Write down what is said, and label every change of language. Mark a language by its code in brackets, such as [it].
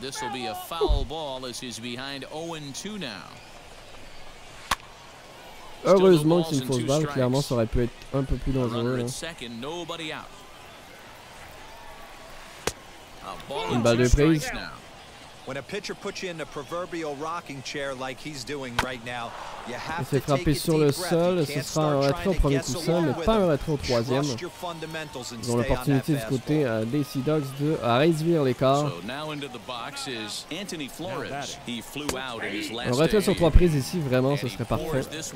[en] This will be a foul ball as he's behind 0-2 now. [fr] Heureusement que c'est une fausse balle, clairement ça aurait pu être un peu plus dangereux. Hein. Une balle de prise. [en] When a pitcher puts you in a proverbial rocking chair like he's doing right now, you have to take a deep breath. You can't start trying to guess along with him. Trust your fundamentals and stay on that fastball. So now into the box is Anthony Flores. He flew out in his last. [fr] On retire sur trois prises ici, vraiment, ce serait parfait.